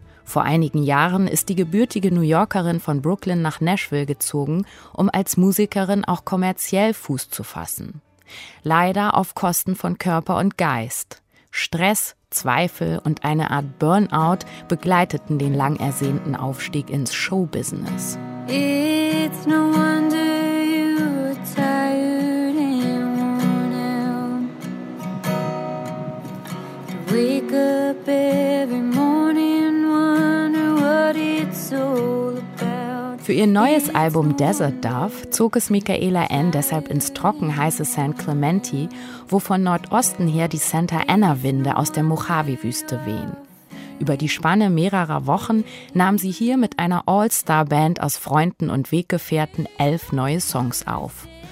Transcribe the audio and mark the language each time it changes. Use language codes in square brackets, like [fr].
[de] Vor einigen Jahren ist die gebürtige New Yorkerin von Brooklyn nach Nashville gezogen, um als Musikerin auch kommerziell Fuß zu fassen. Leider auf Kosten von Körper und Geist. Stress, Zweifel und eine Art Burnout begleiteten den lang ersehnten Aufstieg ins Showbusiness. [en] It's no wonder you were tired and worn out. Wake up every morning, wonder what it's all about. [de] Für ihr neues Album Desert Dove zog es Michaela Ann deshalb ins trockenheiße San Clemente, wo von Nordosten her die Santa Ana-Winde aus der Mojave-Wüste wehen. Über die Spanne mehrerer Wochen nahm sie hier mit einer All-Star-Band aus Freunden und Weggefährten 11 neue Songs auf.